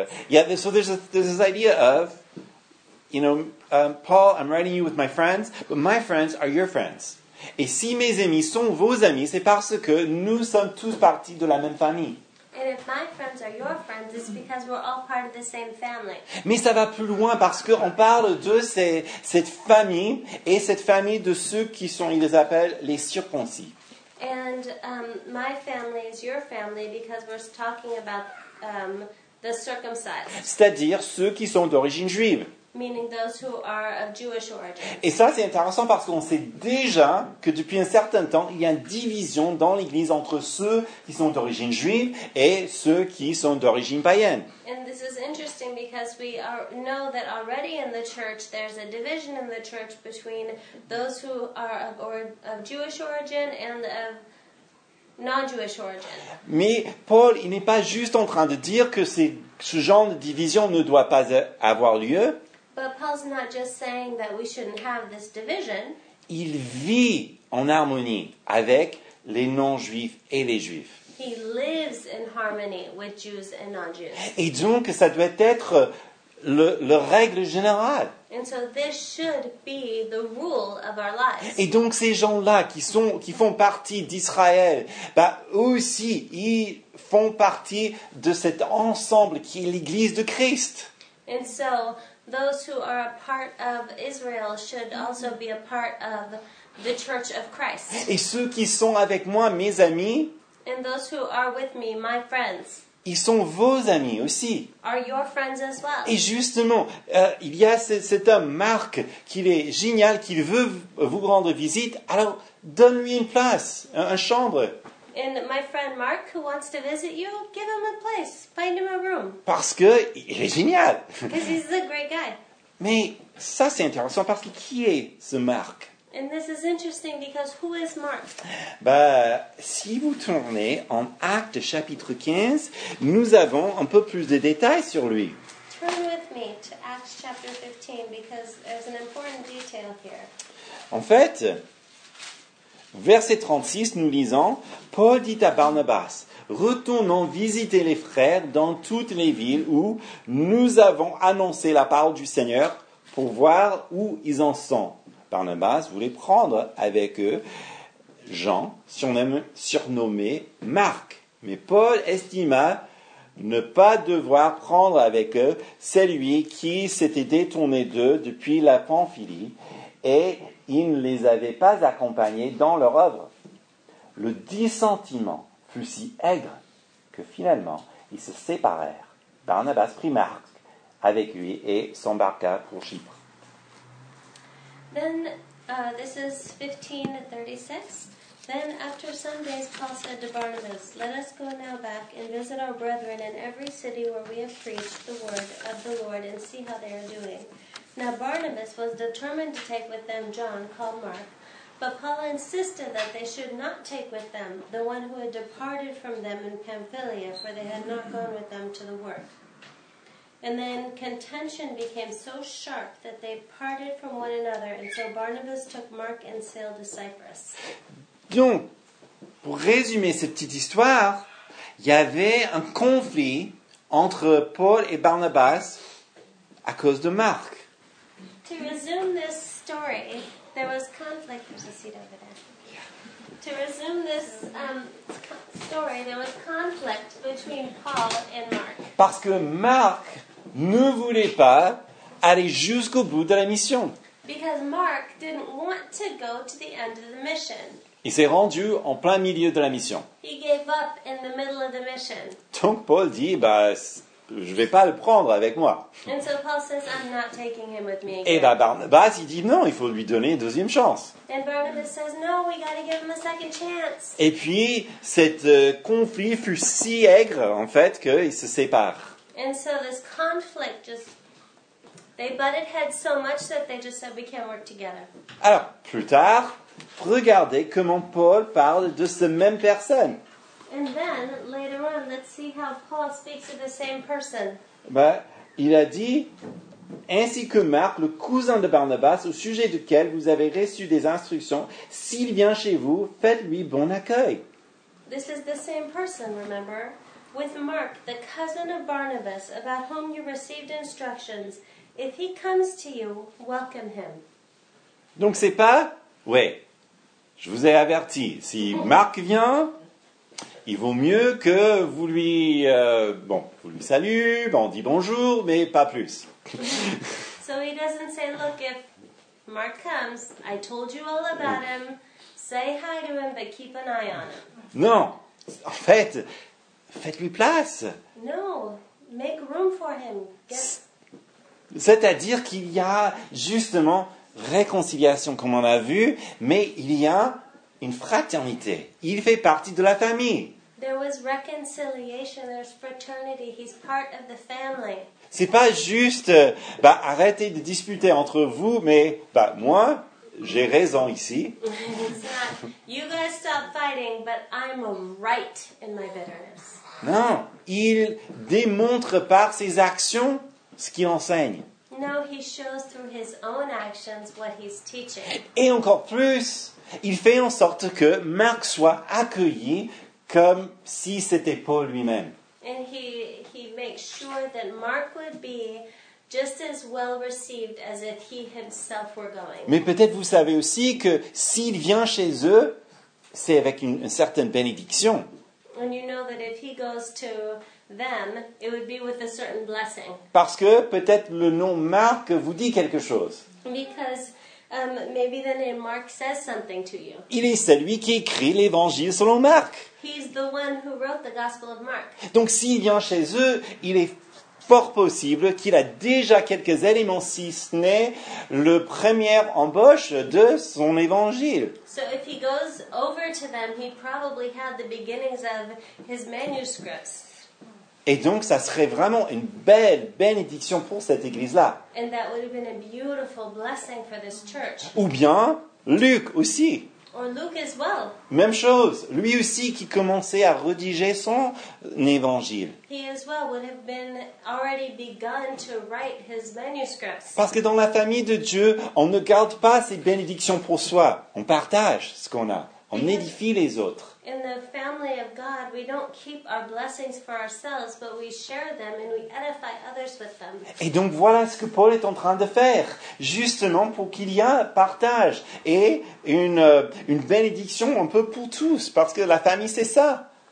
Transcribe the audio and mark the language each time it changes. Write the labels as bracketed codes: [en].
[en] There's this idea of, you know, Paul, I'm writing you with my friends, but my friends are your friends. [fr] Et si mes amis sont vos amis, c'est parce que nous sommes tous partie de la même famille. [en] And if my friends are your friends, it's because we're all part of the same family. [fr] Mais ça va plus loin parce qu'on parle de cette famille et cette famille de ceux qui sont, ils les appellent, les circoncis. [en] And my family is your family because we're talking about the circumcised. [fr] C'est-à-dire ceux qui sont d'origine juive. [en] Meaning those who are of Jewish origin. [fr] Et ça, c'est intéressant parce qu'on sait déjà que depuis un certain temps, il y a une division dans l'Église entre ceux qui sont d'origine juive et ceux qui sont d'origine païenne. [en] And this is interesting because we know that already in the church, there's a division in the church between those who are of Jewish origin and of non-Jewish origin. [fr] Mais Paul, il n'est pas juste en train de dire que ce genre de division ne doit pas avoir lieu. [en] But Paul's not just saying that we shouldn't have this division. [fr] Il vit en harmonie avec les non-juifs et les juifs. [en] He lives in harmony with Jews and non-Jews. [fr] Et donc, ça doit être le règle générale. [en] And so this should be the rule of our lives. [fr] Et donc, ces gens-là qui font partie d'Israël, aussi, ils font partie de cet ensemble qui est l'Église de Christ. [en] And so those who are a part of Israel should also be a part of the Church of Christ. [fr] Et ceux qui sont avec moi, mes amis, [en] and those who are with me, my friends, [fr] ils sont vos amis aussi. [en] Are your friends as well. [fr] Et justement, il y a cet homme, Marc, qu'il est génial, qu'il veut vous rendre visite. Alors, donne-lui une place, une chambre. [en] And my friend Mark, who wants to visit you, give him a place. Find him a room. [fr] Parce que il est génial. [en] Because he's a great guy. [fr] Mais ça, c'est intéressant parce que qui est ce Mark? [en] And this is interesting because who is Mark? [fr] Bah, si vous tournez en Actes chapitre 15, nous avons un peu plus de détails sur lui. [en] Turn with me to Acts chapter 15 because there's an important detail here. [fr] En fait, verset 36, nous lisons, Paul dit à Barnabas, retournons visiter les frères dans toutes les villes où nous avons annoncé la parole du Seigneur pour voir où ils en sont. Barnabas voulait prendre avec eux Jean, surnommé Marc. Mais Paul estima ne pas devoir prendre avec eux celui qui s'était détourné d'eux depuis la Pamphylie et ils ne les avaient pas accompagnés dans leur œuvre. Le dissentiment fut si aigre que finalement, ils se séparèrent. Barnabas prit Marc avec lui et s'embarqua pour Chypre. [en] Then, this is 15:36. Then, after some days, Paul said to Barnabas, let us go now back and visit our brethren in every city where we have preached the word of the Lord and see how they are doing. Now Barnabas was determined to take with them John, called Mark, but Paul insisted that they should not take with them the one who had departed from them in Pamphylia, for they had not gone with them to the work. And then contention became so sharp that they parted from one another, and so Barnabas took Mark and sailed to Cyprus. [fr] Donc, pour résumer cette petite histoire, il y avait un conflit entre Paul et Barnabas à cause de Mark. [en] To resume this story, there was conflict. There's a seat over there. To resume this story, there was conflict between Paul and Mark. [fr] Parce que Mark ne voulait pas aller jusqu'au bout de la mission. [en] Because Mark didn't want to go to the end of the mission. [fr] Il s'est rendu en plein milieu de la mission. [en] He gave up in the middle of the mission. [fr] Donc Paul dit, bah, je ne vais pas le prendre avec moi. [en] And so Paul says, I'm not taking him with me again. [fr] Et bah Barnabas, il dit non, il faut lui donner une deuxième chance. [en] And Barnabas says, no, we gotta give him a second chance. [fr] Et puis, cet conflit fut si aigre, en fait, qu'ils se séparent. [en] And so this conflict just, they butted heads so much that they just said, we can't work together. [fr] Alors, plus tard, regardez comment Paul parle de cette même personne. [en] And then, later on, let's see how Paul speaks of the same person. [fr] Bah, il a dit, ainsi que Marc, le cousin de Barnabas, au sujet duquel vous avez reçu des instructions, s'il vient chez vous, faites-lui bon accueil. [en] This is the same person, remember? With Mark, the cousin of Barnabas, about whom you received instructions, if he comes to you, welcome him. [fr] Donc c'est pas, ouais, je vous ai averti, si Marc vient, il vaut mieux que vous lui, vous lui saluez, on dit bonjour, mais pas plus. [en] So he doesn't say, look, if Mark comes, I told you all about him, say hi to him, but keep an eye on him. [fr] Non, en fait, faites-lui place. [en] No, make room for him. [fr] C'est-à-dire qu'il y a justement réconciliation, comme on a vu, mais il y a une fraternité. Il fait partie de la famille. [en] There was reconciliation, there's fraternity, he's part of the family. [fr] C'est pas juste, arrêtez de disputer entre vous, mais moi, j'ai raison ici. [en] You guys stop fighting, but I'm right in my bitterness. [fr] Non, il démontre par ses actions ce qu'il enseigne. [en] No, he shows through his own actions what he's teaching. [fr] Et encore plus, il fait en sorte que Marc soit accueilli comme si c'était Paul lui-même. [en] And he makes sure that Mark would be just as well received as if he himself were going. [fr] Mais peut-être vous savez aussi que s'il vient chez eux, c'est avec une certaine bénédiction. [en] And you know that if he goes to them, it would be with a certain blessing. [fr] Parce que peut-être le nom Marc vous dit quelque chose. [en] Because maybe the name Mark says something to you. [fr] Il est celui qui écrit l'évangile selon Marc. [en] He's the one who wrote the Gospel of Mark. [fr] Donc s'il vient chez eux, il est fort possible qu'il a déjà quelques éléments, si ce n'est le premier embauche de son évangile. [en] So if he goes over to them, he probably had the beginnings of his manuscripts. [fr] Et donc, ça serait vraiment une belle bénédiction pour cette église-là. [en] And that would have been a beautiful blessing for this church. [fr] Ou bien, Luc aussi. [en] Or Luke as well. [fr] Même chose, lui aussi qui commençait à rédiger son évangile. [en] He as well would have been already begun to write his manuscripts. [fr] Parce que dans la famille de Dieu, on ne garde pas ses bénédictions pour soi. On partage ce qu'on a. On édifie les autres. [en] In the family of God, we don't keep our blessings for ourselves, but we share them and we edify others with them. [fr] Et donc voilà ce que Paul est en train de faire, justement pour qu'il y ait partage et une bénédiction un peu pour tous, parce que la famille c'est ça.